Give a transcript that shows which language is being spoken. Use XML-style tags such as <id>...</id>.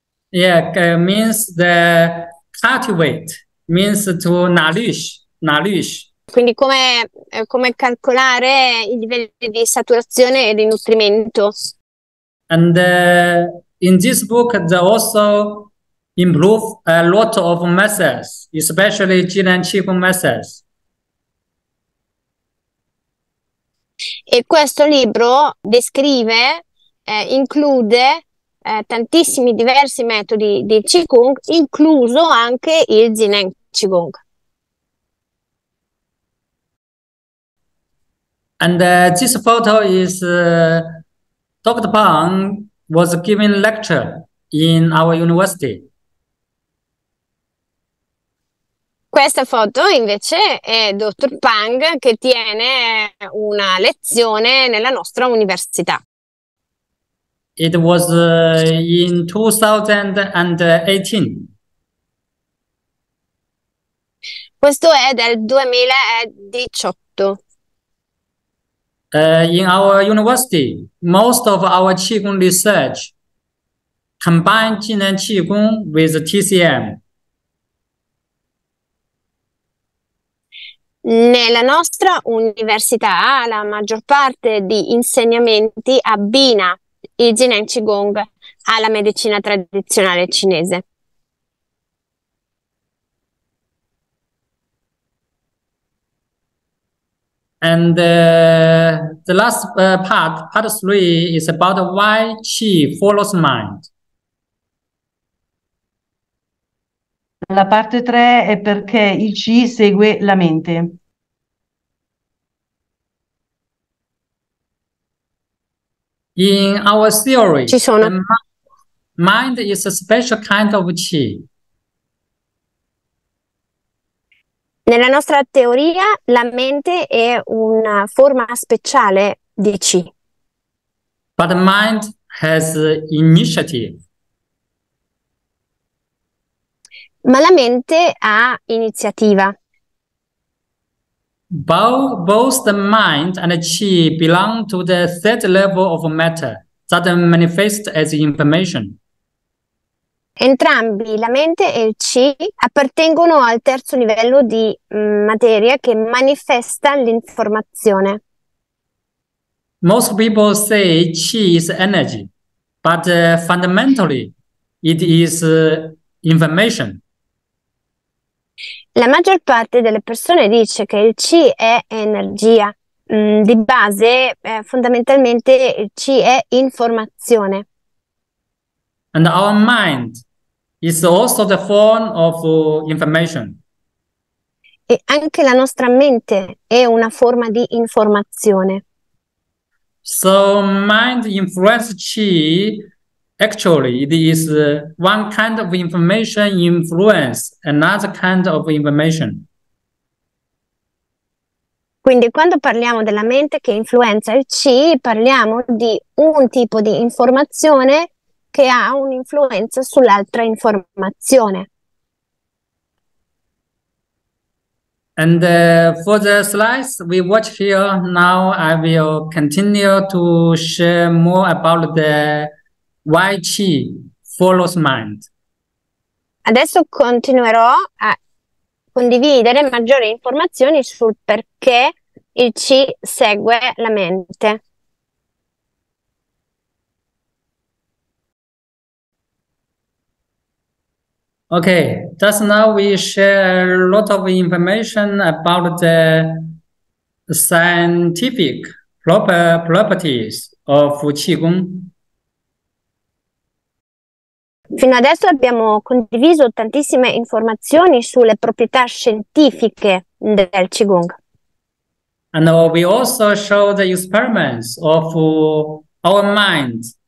<en>Yeah, means the cultivate, means to nourish, nourish.</en> <it>Quindi come calcolare i livelli di saturazione e di nutrimento?</it> <en>And in this book, they also improve a lot of methods, especially Jin and Qigong methods.</en> <it>E questo libro descrive, include tantissimi diversi metodi di Qigong, incluso anche il Zinheng Qigong.</it> <en>And this photo is Dr. Pang was giving lecture in our university.</en> <it>Questa foto invece è Dottor Pang che tiene una lezione nella nostra università.</it> <en>It was in 2018.</en> <it>Questo è del 2018.</it> <en>In our university, most of our Qigong research combined Jin and Qigong with TCM.</en> <it>Nella nostra università, la maggior parte di insegnamenti abbina il Zinheng Qigong alla medicina tradizionale cinese.</it> <en>And the last part three is about why chi follows mind.</en> <it>La parte 3 è perché il C segue la mente.</it> <en>In our theory,</en> <it>Ci sono.</it> <en>the mind is a special kind of chi.</en> <it>Nella nostra teoria, la mente è una forma speciale di chi.</it> <en>But mind has initiative.</en> <it>Ma la mente ha iniziativa.</it> <en>Both the mind and the qi belong to the third level of matter that manifests as information.</en> <it>Entrambi, la mente e il chi, appartengono al terzo livello di materia che manifesta l'informazione.</it> <en>Most people say qi is energy, but fundamentally it is information.</en> <it>La maggior parte delle persone dice che il chi è energia. Di base, fondamentalmente, il chi è informazione.</it> <en>And our mind is also the form of information.</en> <it>E anche la nostra mente è una forma di informazione.</it> <en>So mind influence qi, actually, it is one kind of information influence another kind of information.</en> <it>Quindi quando parliamo della mente che influenza il qi, parliamo di un tipo di informazione che ha un'influenza sull'altra informazione.</it> <en>And for the slides we watch here, now I will continue to share more about the why qi follows mind.</en> <it>Adesso continuerò a condividere maggiori informazioni sul perché il C segue la mente.</it> <en>Okay, just now we share a lot of information about the scientific properties of Qigong.</en> <it>Fino adesso abbiamo condiviso tantissime informazioni sulle proprietà scientifiche del Qigong.</it> <en>And we also show the experiments of our mind</en>